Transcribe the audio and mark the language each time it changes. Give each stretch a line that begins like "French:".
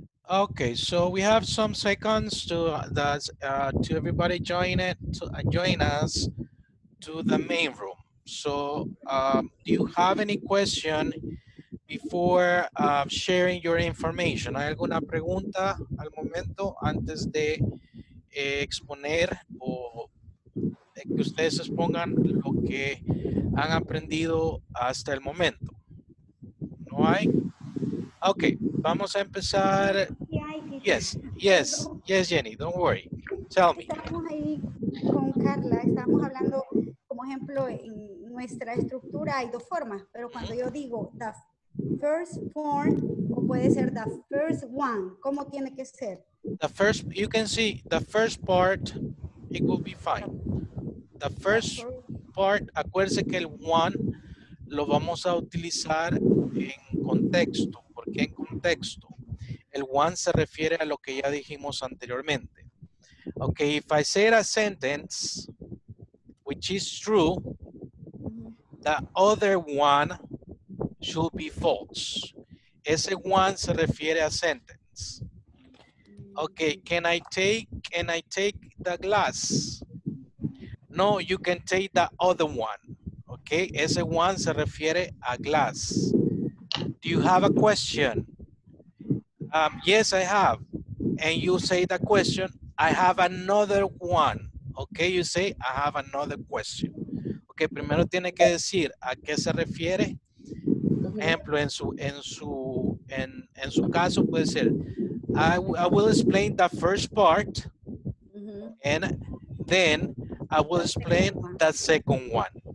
English: Okay, so we have some seconds to to everybody join it to join us to the main room. So do you have any question before sharing your information?
Spanish: ¿Hay alguna pregunta al momento antes de exponer o que ustedes expongan lo que han aprendido hasta el momento? ¿No hay? Okay, vamos a empezar.
English: Yes, yes, yes, Jenny, don't worry. Tell me.
Spanish: Estamos ahí con Carla, estamos hablando, como ejemplo, en nuestra estructura hay dos formas, pero cuando yo digo
English: the first form,
Spanish: o puede ser
English: the first one,
Spanish: ¿cómo tiene que ser?
English: The first, you can see, the first part, it will be fine. The first part,
Spanish: acuérdese que el one lo vamos a utilizar en contexto. Que en contexto, el one se refiere a lo que ya dijimos anteriormente.
English: Okay, if I say a sentence which is true, the other one should be false.
Spanish: Ese one se refiere a sentence.
English: Okay, can I take the glass? No, you can take the other one. Okay,
Spanish: ese one se refiere a glass.
English: Do you have a question? Yes, I have. And you say the question, I have another one. Okay, you say, I have another question.
Spanish: Okay, primero tiene que decir a qué se refiere. Ejemplo, en su caso puede ser,
English: I will explain the first part, and then I will explain the second one.